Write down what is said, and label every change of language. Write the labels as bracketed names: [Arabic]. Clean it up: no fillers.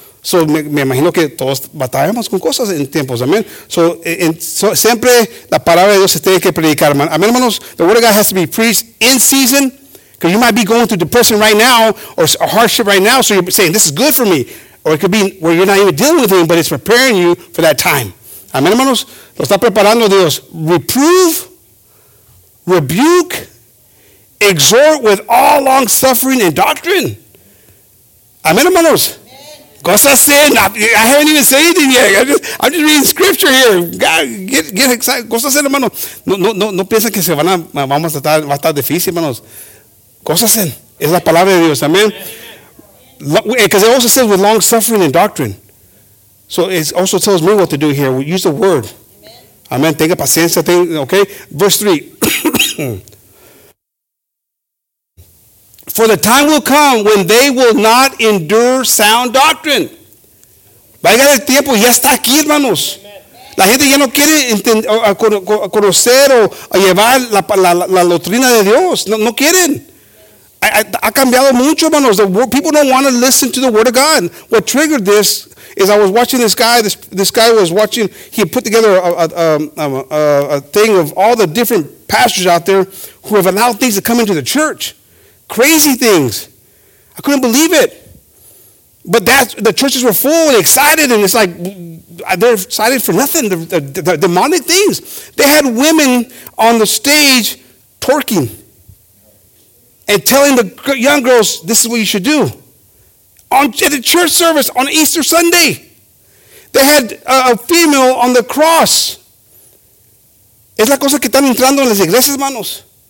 [Spanish] So, me imagino que todos batallamos con cosas en tiempos, amén. So, siempre la palabra de Dios se tiene que predicar, amén, hermanos. [English] The word of God has to be preached in season, because you might be going through depression right now or a hardship right now, so you're saying, this is good for me. Or it could be where you're not even dealing with it, but it's preparing you for that time. [Spanish] Amén, hermanos. Lo está preparando Dios. [English] Reprove, rebuke, exhort with all long suffering and doctrine. [Spanish] Amén, hermanos. Gózase. [English] I haven't even said anything yet. I'm just reading scripture here. God, get excited. [Spanish] Gózase, hermano. No piensen que se van a vamos a estar va a estar difícil, hermanos. Gózase. Es la palabra de Dios. Amen. [English] Because it also says with long suffering and doctrine. So it also tells me what to do here. We use the word. Amen. [Spanish] Tenga paciencia. [English] Okay. Verse 3. For the time will come when they will not endure sound doctrine. [Spanish] Vaya el tiempo, ya está aquí, hermanos. La gente ya no quiere conocer o llevar la doctrina de Dios. No quieren. Ha cambiado mucho, hermanos. [English] People don't want to listen to the word of God. What triggered this is I was watching this guy. This guy was watching. He put together a thing of all the different pastors out there who have allowed things to come into the church. Crazy things. I couldn't believe it. But the churches were full and excited, and it's like they're excited for nothing. The demonic things. They had women on the stage twerking and telling the young girls, this is what you should do. At the church service on Easter Sunday, they had a female on the cross. [Spanish] Es la cosa que están entrando en las iglesias, manos.